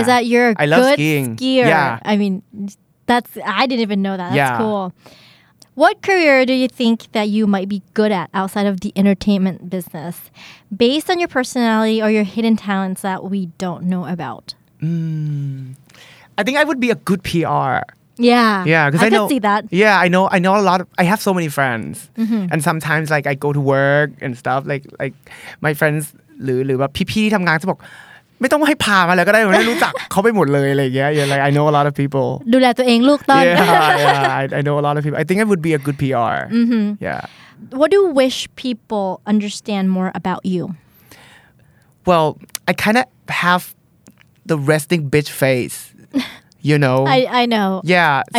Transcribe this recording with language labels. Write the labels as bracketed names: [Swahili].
[English] is that you're a I love good skiing. Skier yeah I mean that's I didn't even know that that's cool What career do you think that you might be good at outside of the entertainment business, based on your personality or your hidden talents that we don't know about? I think I would be a good PR. Yeah. Yeah, because I could see that. Yeah, I know a lot of, I have so many friends. Mm-hmm. And sometimes, like, I go to work and stuff. Like my friends, or PP, [Thai] ที่ทำงานจะบอกไม่ต้องให้พามาเลยก็ได้ผมไม่รู้จักเขาไปหมดเลยอะไรเงี้ย [English] you're like I know a lot of people [Thai] ดูแลตัวเองลูกต้น [English] yeah I know a lot of people I think I would be a good PR yeah what do you wish people understand more about you well I kind of have the resting bitch face you know I know yeah